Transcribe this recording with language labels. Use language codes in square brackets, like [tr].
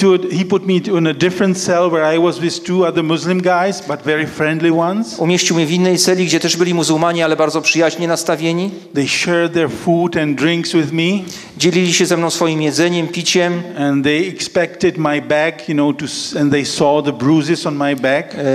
[en] He put me in a different cell where I was with two other Muslim guys, but very friendly ones. [pl] Umieścił mnie w innej celi, gdzie też byli muzułmanie, ale bardzo przyjaźnie nastawieni. [en] They shared their food and drinks with me. [pl] Dzielili się ze mną swoim jedzeniem, piciem. [en] And they expected my back, you know, to and they saw the bruises on my back.